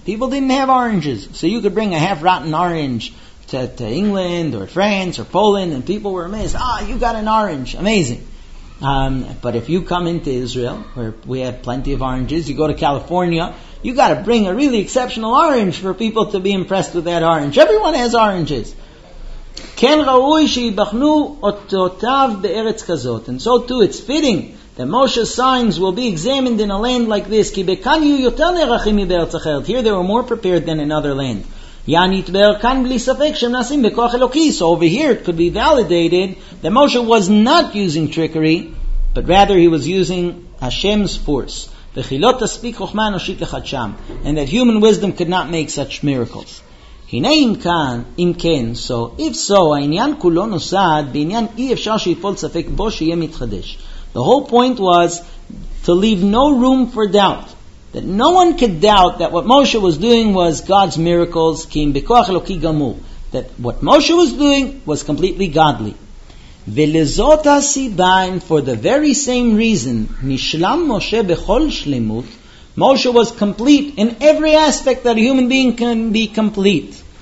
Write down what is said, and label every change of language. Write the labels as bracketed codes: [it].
[en] People didn't have oranges. So you could bring a half-rotten orange to England or France or Poland, and people were amazed. Ah, you got an orange. Amazing. But if you come into Israel, where we have plenty of oranges, you go to California, you got to bring a really exceptional orange for people to be impressed with that orange. Everyone has oranges. [he] כן ראוי שיבחנו אותותיו בארץ כזאת. [en] And so too, it's fitting that Moshe's signs will be examined in a land like this. [he] כי בכאן יהיו יותר נערכים מבארץ אחרת. [en] Here they were more prepared than in other land. [he] יעני יתבר כאן בלי ספק שהם נעשים בכוח אלוקי. [en] So over here it could be validated that Moshe was not using trickery, but rather he was using Hashem's force. [he] וכי לא תספיק חוכמה אנושית לחדשם. [en] And that human wisdom could not make such miracles. [he] הנה אם כאן, אם כן, [en] so if so, [he] העניין כולו נוסד בעניין אי אפשר שיפול ספק בו שיהיה מתחדש. [en] The whole point was to leave no room for doubt. That no one could doubt that what Moshe was doing was God's miracles, [he] כי אם בכוח אלוקי גמור. [en] That what Moshe was doing was completely godly. [he] ולזאת הסיבה, [en] and for the very same reason, [he] נשלם משה בכל שלמות, [en] Moshe was complete in every aspect that a human being can be complete.